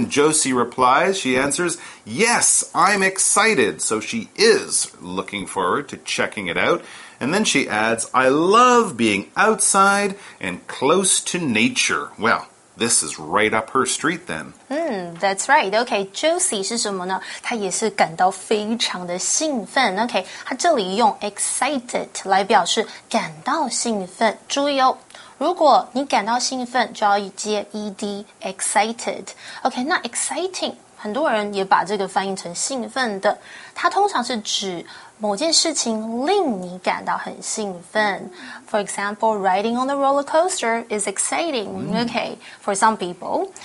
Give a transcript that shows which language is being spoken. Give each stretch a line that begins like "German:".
English: And Josie replies, she answers, yes, I'm excited. So she is looking forward to checking it out. And then she adds, I love being outside and close to nature. Well, this is right up her street then. That's right. Okay, Josie
Chinese: 是什么呢？她也是感到非常的兴奋。 Okay, 她这里用 excited 来表示感到兴奋。注意哦，如果你感到兴奋，就要接 ed, excited. Okay, 那 exciting, 很多人也把这个翻译成兴奋的。它通常是指某件事情令你感到很兴奋。
English: For example, riding on the roller coaster is exciting, okay, for some people.